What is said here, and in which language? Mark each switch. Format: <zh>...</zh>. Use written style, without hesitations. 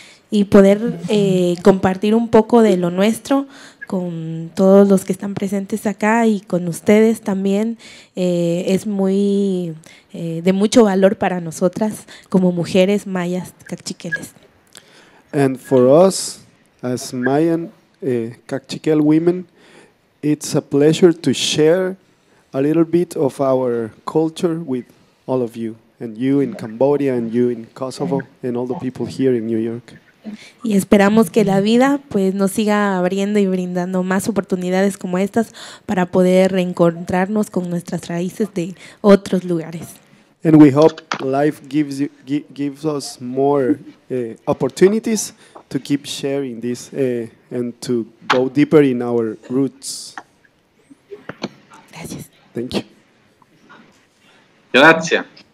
<es>Y poder compartir un poco de lo nuestro con todos los que están presentes acá y con ustedes también es muy de mucho valor para nosotras como mujeres mayas cachiqueles.</es> <en>And for us as Mayan Cachiquel women, it's a pleasure to share a little bit of our culture with all of you, and you in Cambodia, and you in Kosovo, and all the people here in New York.</en> <es>Y esperamos que la vida pues nos siga abriendo y brindando más oportunidades como estas para poder reencontrarnos con nuestras raíces de otros lugares.</es> <en>And we hope life gives you, gives us more opportunities to keep sharing this and to go deeper in our roots.</en> <es>Gracias.</es> <en>Thank you.</en> <es>Gracias.</es>